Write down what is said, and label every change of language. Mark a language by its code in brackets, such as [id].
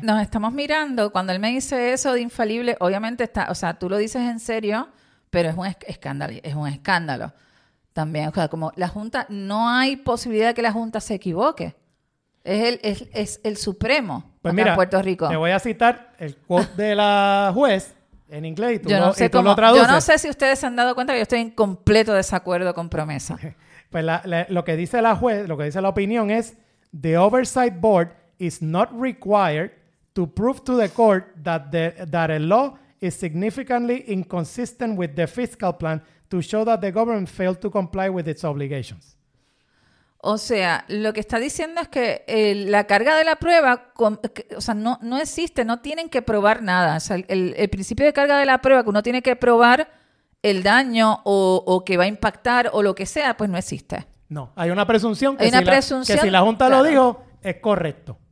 [es] Nos estamos mirando, cuando él me dice eso de infalible, obviamente está, o sea, tú lo dices en serio, pero es un escándalo también, o sea, como la Junta, no hay posibilidad de que la Junta se equivoque, es el Supremo de Puerto Rico. Te voy a citar el quote de la juez en inglés y tú lo traduces. Yo no sé si ustedes se han dado cuenta que yo estoy en completo desacuerdo con Promesa. Pues lo que dice la opinión es, [en] The oversight board is not required to prove to the court that a law is significantly inconsistent with the fiscal plan to show that the government failed to comply with its obligations. [es] O sea, lo que está diciendo es que la carga de la prueba, no existe, no tienen que probar nada. O sea, el principio de carga de la prueba, que uno tiene que probar el daño o que va a impactar o lo que sea, pues no existe. No, hay una presunción que si la Junta lo dijo, es correcto.